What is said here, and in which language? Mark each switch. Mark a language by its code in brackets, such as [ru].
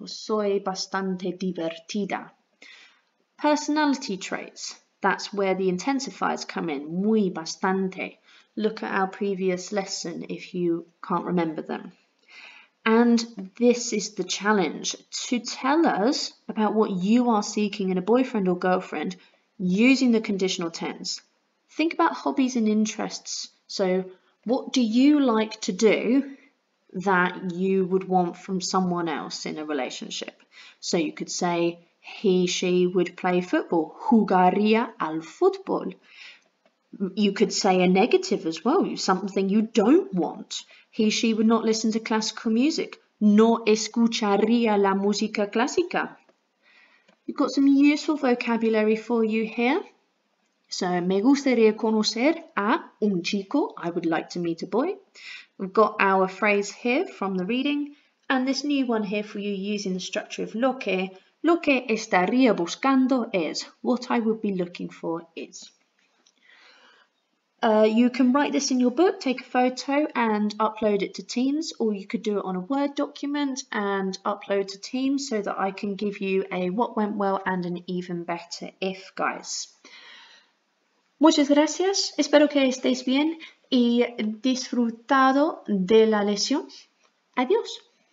[es] Soy bastante divertida. [en] Personality traits. That's where the intensifiers come in. [es] Muy bastante. [en] Look at our previous lesson if you can't remember them. And this is the challenge. To tell us about what you are seeking in a boyfriend or girlfriend using the conditional tense. Think about hobbies and interests. So what do you like to do that you would want from someone else in a relationship? So you could say he, she would play football. [es] Jugaría al fútbol. [en] You could say a negative as well, something you don't want. He, she would not listen to classical music. [es] No escucharía la música clásica. [en] You've got some useful vocabulary for you here. [es] So, me gustaría conocer a un chico. [en] I would like to meet a boy. We've got our phrase here from the reading. And this new one here for you using the structure of [es] lo que estaría buscando es, [en] what I would be looking for is. You can write this in your book, take a photo and upload it to Teams, or you could do it on a Word document and upload to Teams so that I can give you a what went well and an even better if, guys. [es] Muchas gracias. Espero que estéis bien y disfrutado de la lección. Adiós.